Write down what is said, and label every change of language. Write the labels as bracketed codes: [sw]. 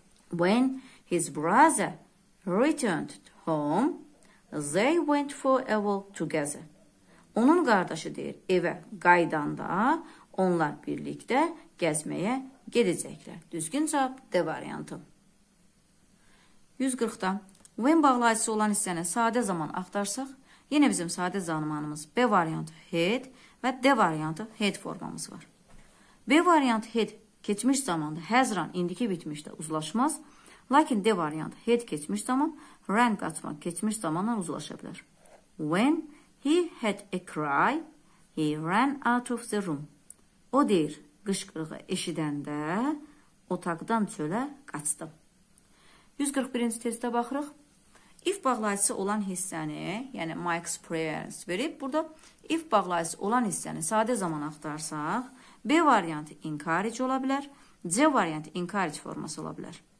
[en] When his brother returned home, they went for a walk together. [az] Onun qardaşı deyir, evə qaydanda onlar birlikdə gəzməyə gedəcəklər. Düzgün cavab D variantı. 140-da. When bağlayıcısı olan hissəni sadə zaman axtarsaq, yenə bizim sadə zamanımız B variantı had və D variantı had formamız var. B variantı had keçmiş zamanda [en] has run [az] indiki bitmişdə uzlaşmaz, lakin D variantı had keçmiş zaman ran qaçmaq keçmiş zamanla uzlaşa bilər. [en] When he had a cry, he ran out of the room. [az] O deyir, qışqırığı eşidəndə otaqdan çölə qaçdım. 141-ci testə baxırıq. If bağlayıcısı olan hissəni, yəni [en] Mike's prayers [az] verib, burada if bağlayıcısı olan hissəni sadə zaman axtarsaq, B variantı encourage ola bilər, C variantı encourage forması ola bilər.